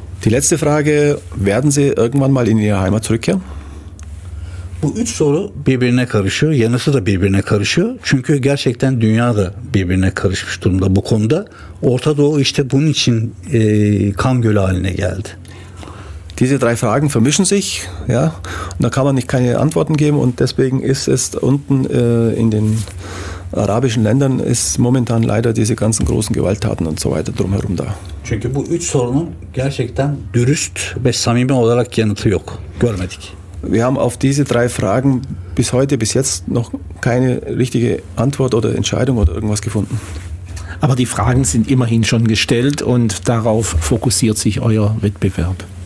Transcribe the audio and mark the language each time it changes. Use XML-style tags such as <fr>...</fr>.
<de>Die letzte Frage, werden Sie irgendwann mal in Ihre Heimat zurückkehren?</de> <tr>Bu üç soru birbirine karışıyor, yanısı da birbirine karışıyor. Çünkü gerçekten dünya da birbirine karışmış durumda bu konuda. Orta Doğu işte bunun için kan gölü haline geldi.</tr> <de>Diese drei Fragen vermischen sich, ja, und da kann man nicht keine Antworten geben und deswegen ist es unten in den arabischen Ländern ist momentan leider diese ganzen großen Gewalttaten und so weiter drumherum da.</de> <tr>Çünkü bu üç sorunun gerçekten dürüst ve samimi olarak yanıtı yok. Görmedik.</tr> <de>Wir haben auf diese drei Fragen bis jetzt noch keine richtige Antwort oder Entscheidung oder irgendwas gefunden. Aber die Fragen sind immerhin schon gestellt und darauf fokussiert sich euer Wettbewerb.</de>